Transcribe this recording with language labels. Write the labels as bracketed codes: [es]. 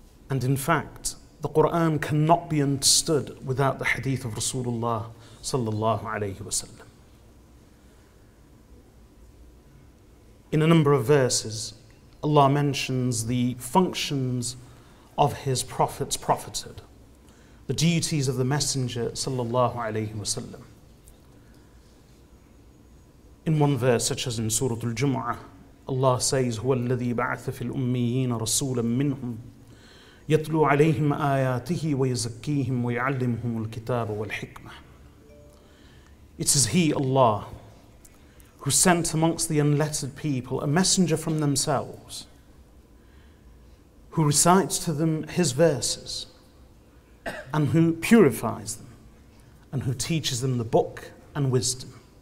[en] And in fact, the Qur'an cannot be understood without the hadith of Rasulullah sallallahu alayhi wa sallam. In a number of verses, Allah mentions the functions of his prophet's prophethood, the duties of the messenger sallallahu alayhi wa sallam. [ar] In one verse, such as in Surah Al-Jum'ah, Allah says, هو الذي بعث في الأميين رسولا منهم يتلو عليهم آياته ويزكيهم ويعلمهم الكتاب والحكمة. [en] It is He, Allah, who sent amongst the unlettered people a messenger from themselves, who recites to them His verses, and who purifies them, and who teaches them the book and wisdom.